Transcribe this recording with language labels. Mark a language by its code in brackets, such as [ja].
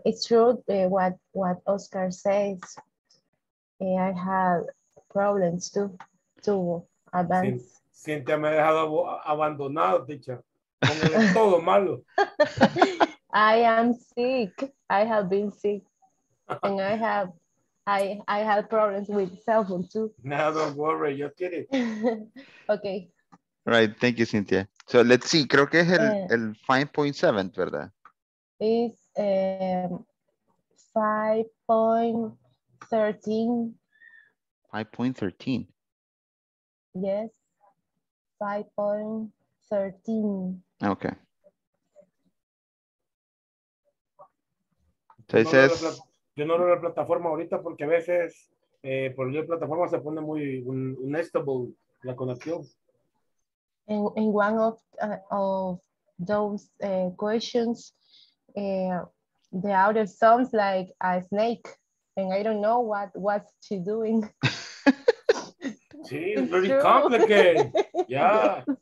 [en] It's true what Oscar says. I have problems to advance. [es] Cynthia me ha dejado abandonado, teacher. Con el todo malo. [en] I am sick. I have been sick. And I have problems with cell phone too. No, don't worry. You're kidding. Okay. Right, thank you, Cynthia. So let's see, [es] creo que es el 5.7, ¿verdad? [en] It's 5.13. Yes, 5.13. Okay. [es] Entonces, yo no veo la plataforma ahorita porque a veces por la plataforma se pone muy unstable la conexión. [en] In one of those questions, the outer sounds like a snake, and I don't know what she's doing. She's very true. Complicated. Yeah.